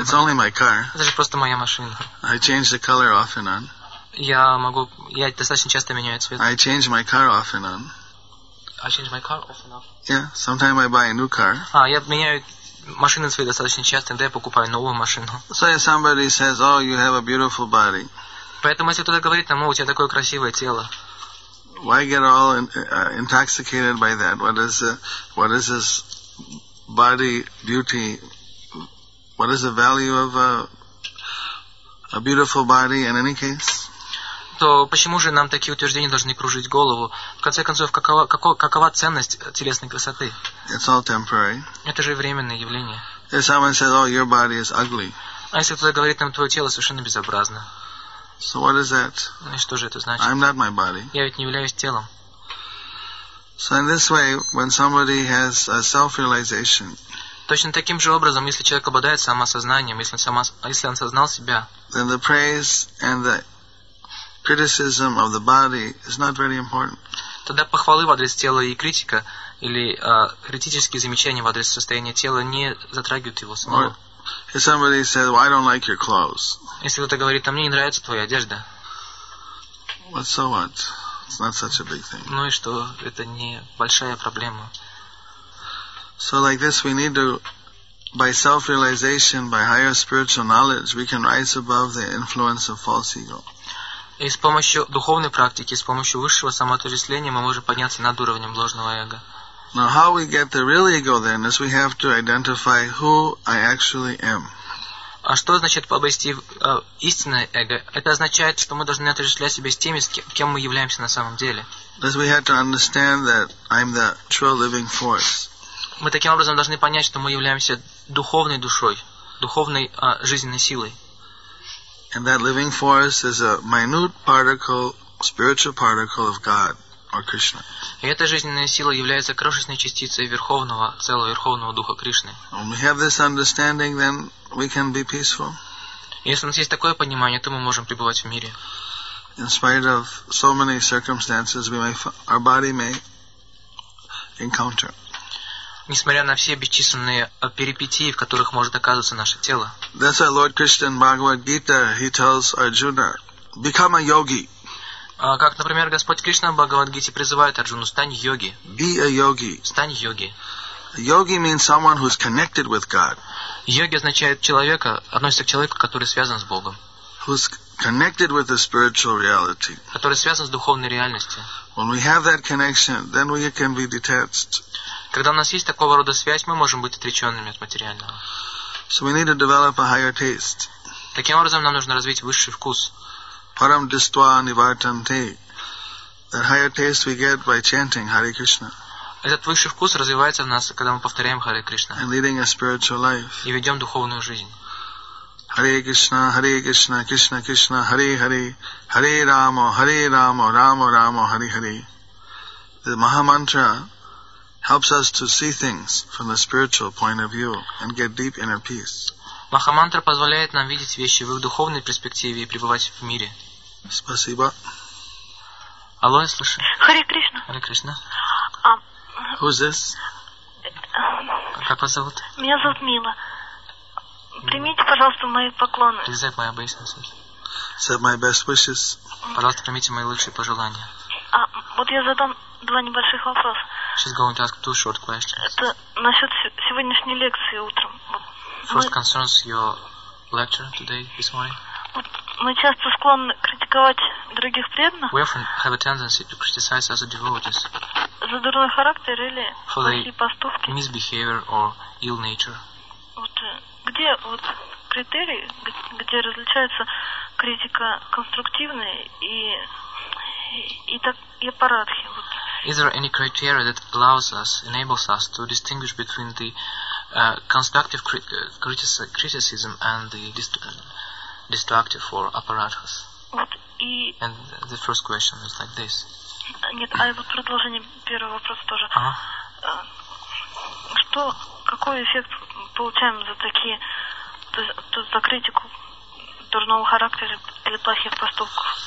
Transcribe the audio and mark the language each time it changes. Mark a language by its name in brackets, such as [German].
[English] It's only my car. [Russian] Это же просто моя машина. [English] I change the color off and on. [Russian] Я достаточно часто меняю цвет. [English] I change my car off and on. I change my car off and on. Yeah, sometimes I buy a new car. [Russian] А, я меняю машины свои достаточно часто, иногда я покупаю новую машину. [English] So if somebody says, oh, you have a beautiful body. [Russian] Поэтому если кто-то говорит, у тебя такое красивое тело. [English] Why get all intoxicated by that? What is this body beauty? What is the value of a beautiful body in any case? [Russian] То почему же нам такие утверждения должны кружить голову? В конце концов, какова ценность телесной красоты? [English] It's all temporary. [Russian] Это же временное явление. [English] If someone says, "Oh, your body is ugly." [Russian] А если кто-то говорит нам, твое тело совершенно безобразно? [English] So what is that? [Russian] И что же это значит? [English] I'm not my body. [Russian] Я ведь не являюсь телом. [English] So in this way, when somebody has a self-realization, [Russian] точно таким же образом, если человек обладает самосознанием, если он осознал себя, [English] then the praise and the criticism of the body is not very important. [Russian] Тогда похвалы в адрес тела и критика или критические замечания в адрес состояния тела не затрагивают его самого. [English] If somebody says, well, I don't like your clothes. [Russian] Если кто-то говорит, а мне не нравится твоя одежда. [English] What, so what? It's not such a big thing. [Russian] Ну и что? Это не большая проблема. [English] So like this we need to, by self-realization, by higher spiritual knowledge, we can rise above the influence of false ego. [Russian] И с помощью духовной практики, с помощью высшего самоотождествления мы можем подняться над уровнем ложного эго. [English] Now, how we get the real ego then is we have to identify who I actually am. [Russian] А что значит обрести истинное эго? Это означает, что мы должны отождествлять себя с теми, с кем мы являемся на самом деле. [English] Thus we have to understand that I'm the true living force. [Russian] Мы таким образом должны понять, что мы являемся духовной душой, духовной жизненной силой. [English] And that living force is a minute particle, spiritual particle of God. [Russian] И эта жизненная сила является крошечной частицей верховного, целого верховного духа Кришны. [English] When we have this understanding, then we can be peaceful. [Russian] Если у нас есть такое понимание, то мы можем пребывать в мире. [English] In spite of so many circumstances, our body may encounter. [Russian] Несмотря на все бесчисленные перипетии, в которых может оказываться наше тело. [English] That's why Lord Krishna in Bhagavad Gita, he tells Arjuna, become a yogi. [Russian] Как, например, Господь Кришна в Бхагавад-гите призывает Арджуну, стань йоги. [English] Be a yogi. [Russian] Стань йоги. [English] Yogi means someone who's connected with God. [Russian] Йоги означает человека, относится к человеку, который связан с Богом. [English] Who's connected with the spiritual reality. [Russian] Который связан с духовной реальностью. [English] When we have that connection, then we can be detached. [Russian] Когда у нас есть такого рода связь, мы можем быть отреченными от материального. [English] So we need to develop a higher taste. [Russian] Таким образом, нам нужно развить высший вкус. [Sanskrit] Param distva nivartante. [English] That higher taste we get by chanting Hare Krishna. [Russian] Этот высший вкус развивается в нас, когда мы повторяем Hare Krishna. [English] And leading a spiritual life. [Russian] И ведем духовную жизнь. [Sanskrit] Hare Krishna, Krishna Krishna, Hare Hare, Hare Rama, Hare Rama, Rama Rama, Hare Hare. [English] The Maha Mantra helps us to see things from the spiritual point of view and get deep inner peace. [Russian] Махамантра позволяет нам видеть вещи в их духовной перспективе и пребывать в мире. Спасибо. Алло, я слышу. Харе Кришна. Харе Кришна. [English] Who's this? [Russian] Как вас зовут? Меня зовут Мила. Примите, пожалуйста, мои поклоны. [English] Accept my obeisances. Accept my best wishes. [Russian] Пожалуйста, примите мои лучшие пожелания. Вот я задам два небольших вопроса. [English] She's going to ask two short questions. [Russian] Это насчет сегодняшней лекции утром. [English] first concerns your lecture today, this morning. [Russian] Мы часто склонны критиковать других преданных. [English] We often have a tendency to criticize other devotees. [Russian] За дурной характер или плохие поступки. [English] Misbehavior or ill nature. [Russian] Вот где вот критерии, где различается критика конструктивная и парадхи. [English] Is there any criteria that allows us, enables us to distinguish between the constructive criticism and the destructive or aparadhas? And the first question is like this. [Russian] Нет, а вот продолжение первого вопроса тоже. Что, какой эффект получаем за такие, за критику дурного характера или плохих поступков?